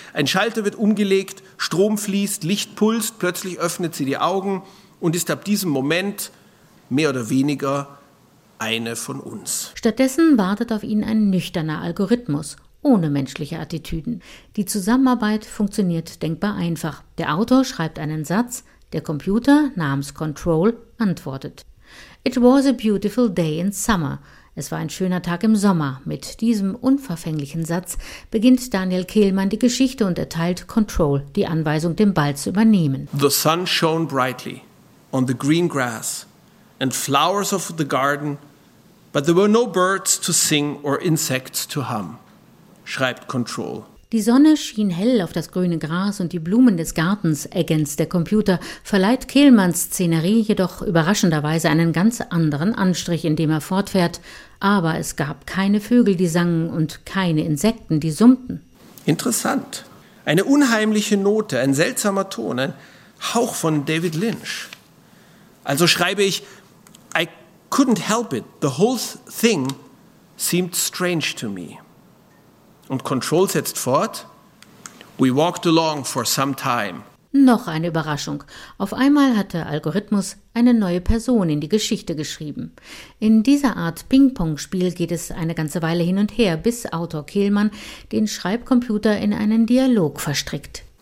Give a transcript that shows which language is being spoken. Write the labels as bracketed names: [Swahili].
[German] Ein Schalter wird umgelegt, Strom fließt, Licht pulst, plötzlich öffnet sie die Augen und ist ab diesem Moment mehr oder weniger eine von uns. Stattdessen wartet auf ihn ein nüchterner Algorithmus, ohne menschliche Attitüden. Die Zusammenarbeit funktioniert denkbar einfach. Der Autor schreibt einen Satz, der Computer namens Control antwortet. [English] It was a beautiful day in summer. [German] Es war ein schöner Tag im Sommer. Mit diesem unverfänglichen Satz beginnt Daniel Kehlmann die Geschichte und erteilt Control die Anweisung, den Ball zu übernehmen. [English] The sun shone brightly on the green grass and flowers of the garden, but there were no birds to sing or insects to hum, [German] schreibt Control. Die Sonne schien hell auf das grüne Gras und die Blumen des Gartens, ergänzt der Computer, verleiht Kehlmanns Szenerie jedoch überraschenderweise einen ganz anderen Anstrich, indem er fortfährt. Aber es gab keine Vögel, die sangen und keine Insekten, die summten. Interessant. Eine unheimliche Note, ein seltsamer Ton, ein Hauch von David Lynch. Also schreibe ich, [English] I couldn't help it, the whole thing seemed strange to me. [German] Und Control setzt fort. [English] We walked along for some time. [German] Noch eine Überraschung. Auf einmal hat der Algorithmus eine neue Person in die Geschichte geschrieben. In dieser Art Ping-Pong-Spiel geht es eine ganze Weile hin und her, bis Autor Kehlmann den Schreibcomputer in einen Dialog verstrickt.